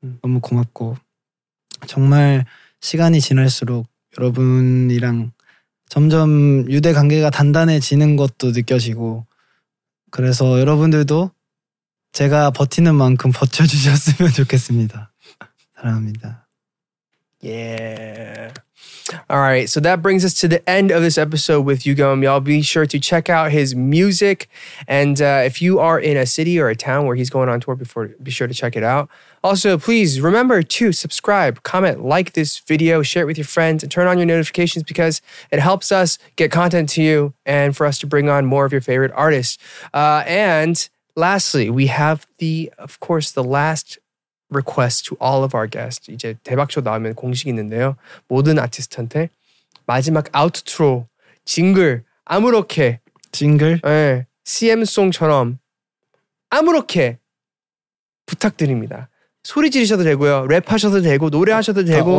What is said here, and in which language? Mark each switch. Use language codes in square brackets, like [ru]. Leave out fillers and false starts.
[ko] 너무 고맙고 정말 시간이 지날수록 여러분이랑 점점 유대 관계가 단단해지는 것도 느껴지고 그래서 여러분들도 제가 버티는 만큼 버텨주셨으면 좋겠습니다. 사랑합니다. [en] Yeah. All right. So that brings us to the end of this episode with YUGYEOM. Y'all be sure to check out his music. And if you are in a city or a town where he's going on tour, be sure to check it out. Also, please remember to subscribe, comment, like this video, share it with your friends, and turn on your notifications because it helps us get content to you and for us to bring on more of your favorite artists. And lastly, we have of course, the last request to all of our guests. [ko] 이제 대박쇼 나오면 공식이 있는데요. 모든 아티스트한테 마지막 아웃트로 징글 아무렇게 징글? 네. CM송처럼 아무렇게 부탁드립니다. 소리 지르셔도 되고요. 랩하셔도 되고 노래하셔도 되고